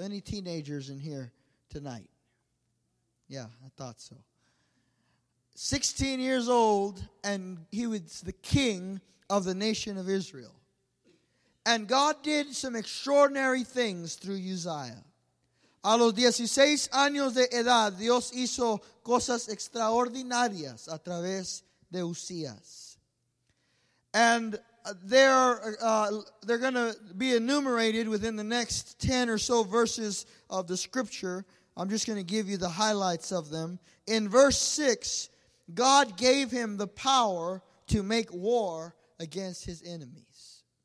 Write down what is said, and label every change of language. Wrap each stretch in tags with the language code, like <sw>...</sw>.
<en>Any teenagers in here tonight? Yeah, I thought so. 16 years old, and he was the king of the nation of Israel. And God did some extraordinary things through Uzziah.</en> <es>A los 16 años de edad, Dios hizo cosas extraordinarias a través de Uzzías.</es> <en>And they're going to be enumerated within the next 10 or so verses of the scripture. I'm just going to give you the highlights of them. In verse 6, God gave him the power to make war against his enemies.</en>